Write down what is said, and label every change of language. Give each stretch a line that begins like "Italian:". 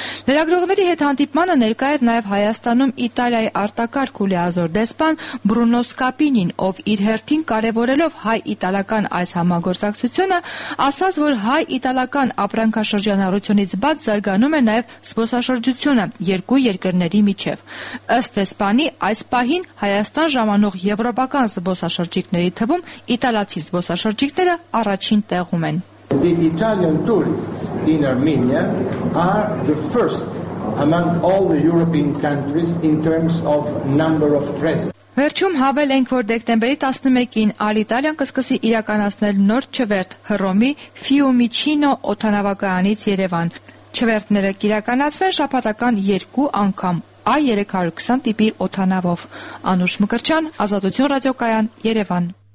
Armenian: Լրագրողների հետ հանդիպմանը ներկա էր նաև Հայաստանում Իտալիայի արտակարգ ու լիազոր դեսպան Բրունո Սկապինին, ով իր հերթին կարևորելով հայ-իտալական այս համագործակցությունը, ասաց, որ հայ-իտալական ապրանքաշրջանառությունից բաց զարգանում է նաև զբոսաշրջությունը երկու երկրների միջև։ Ըստ դեսպանի, այս պահին Հայաստան ժամանող եվրոպական զբոսաշրջիկների թվում իտալացի զբոսաշրջիկները առաջին տեղում են։
English: The Italian tourists in Armenia are the first among all the European countries in terms of number of tourists.
Armenian: Վերջում հավելենք, որ դեկտեմբերի 11-ին Ալիտալիան կսկսի իրականացնել նոր չվերթ Հռոմի Ֆիումիչինո օդանավակայանից Երևան։ Չվերթները կիրականացվեն շաբաթական 2 անգամ A320 տիպի օթանավով։ Անուշ Մկրչյան, Ազատություն ռադիոկայան, Երևան։